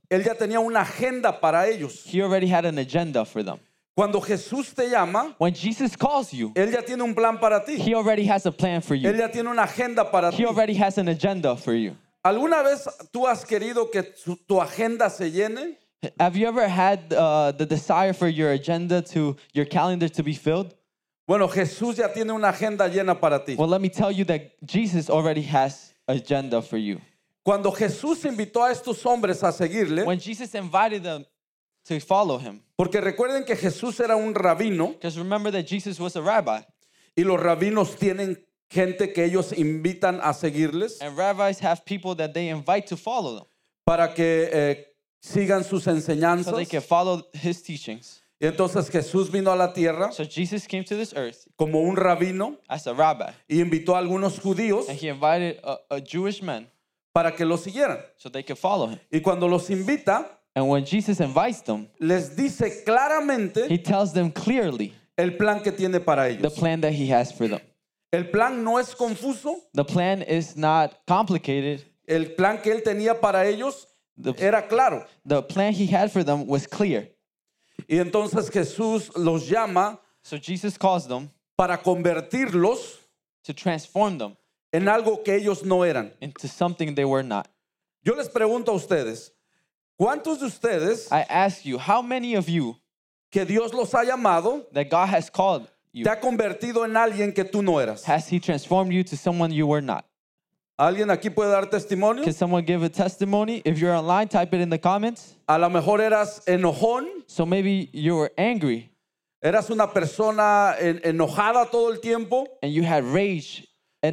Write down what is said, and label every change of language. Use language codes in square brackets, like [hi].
[es] Él ya tenía una agenda para ellos. [en] He already had an agenda for them. [es] Cuando Jesús te llama, [en] when Jesus calls you, [es] él ya tiene un plan para ti. [en] He already has a plan for you. [es] Él ya tiene una agenda para ti. [en] He already has an agenda for you. [es] ¿Alguna vez tú has querido que tu agenda se llene? [en] Have you ever had the desire for your agenda to your calendar to be filled? [es] Bueno, Jesús ya tiene una agenda llena para ti. [en] Well, let me tell you that Jesus already has an agenda for you. [es] Cuando Jesús invitó a estos hombres a seguirle, [en] when Jesus invited them to follow him, [es] porque recuerden que Jesús era un rabino, [en] because remember that Jesus was a rabbi, [es] y los rabinos tienen gente que ellos invitan a seguirles, [en] and rabbis have people that they invite to follow them, [es] para que sigan sus enseñanzas, [en] so they can follow his teachings. [es] Y entonces Jesús vino a la tierra, [en] so Jesus came to this earth, [es] como un rabino, [en] as a rabbi, [es] y invitó a algunos judíos, [en] and he invited a Jewish man, [es] para que lo siguieran, [en] so they could follow him. [es] Y cuando los invita, [en] and when Jesus invites them, [es] les dice claramente, [en] he tells them clearly, [es] el plan que tiene para ellos, [en] the plan that he has for them. [es] El plan no es confuso, [en] the plan is not complicated. [es] El plan que él tenía para ellos era claro. [en] The plan he had for them was clear. [es] Y entonces Jesús los llama, [en] so Jesus calls them, [es] para convertirlos, [en] to transform them, [es] en algo que ellos no eran, [en] into something they were not. [es] Yo les pregunto a ustedes, ¿cuántos de ustedes, [en] I ask you, how many of you, [es] que Dios los ha llamado, [en] that God has called you, [es] te ha convertido en alguien que tú no eras? [en] Has he transformed you to someone you were not? [es] ¿Alguien aquí puede dar testimonio? [en] Can someone give a testimony? If you're online, type it in the comments. [es] A lo mejor eras enojón. [en] So maybe you were angry. [es] Eras una persona enojada todo el tiempo. [en] And you had rage at